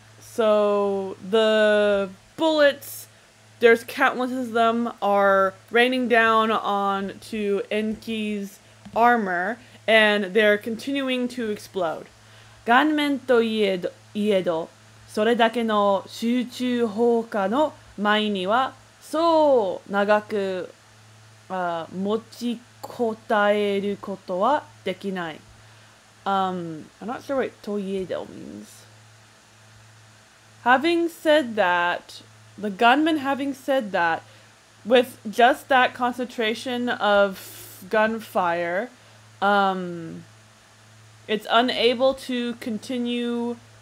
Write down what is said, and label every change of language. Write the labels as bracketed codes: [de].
[en] So the bullets, there's countless of them, are raining down onto Enki's armor and they're continuing to explode. [ja] Ganmen to iedo. それだけの集中砲火の前にはそう長く持ちこたえることはできない。 [en] I'm not sure what toyedo means. Having said that, the gunman having said that, with just that concentration of gunfire, it's unable to continue